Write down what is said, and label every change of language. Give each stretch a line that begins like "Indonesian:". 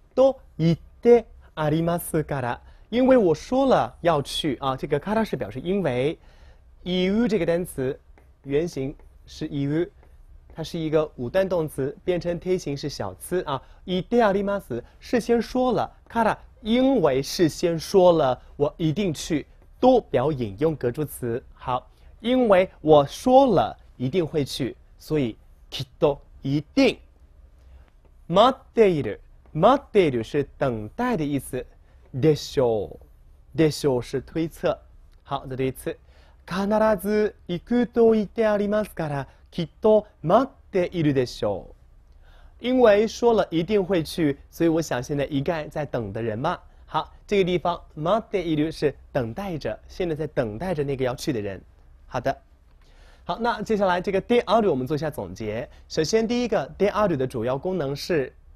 Japanese: 都言ってありますから，
Chinese: 因为我说了要去啊，这个から是表示因为，行く这个单词原型是行く，它是一个五段动词，变成贴形是小词啊。
Japanese: 言ってあります
Chinese: 事先说了，から因为事先说了我一定去，都表引用格助词。好，因为我说了一定会去，所以きっと一定。
Japanese: 待っている。待っている
Chinese: 是等待的意思，でしょう，でしょう是推测。好，再读一次。
Japanese: 必ず行くと言ってありますから、きっと待っているでしょう。
Chinese: 因为说了一定会去，所以我想现在一概在等的人嘛。好，这个地方待っている是等待着，现在在等待着那个要去的人。好的。好，那接下来这个である我们做一下总结。首先，第一个である的主要功能是。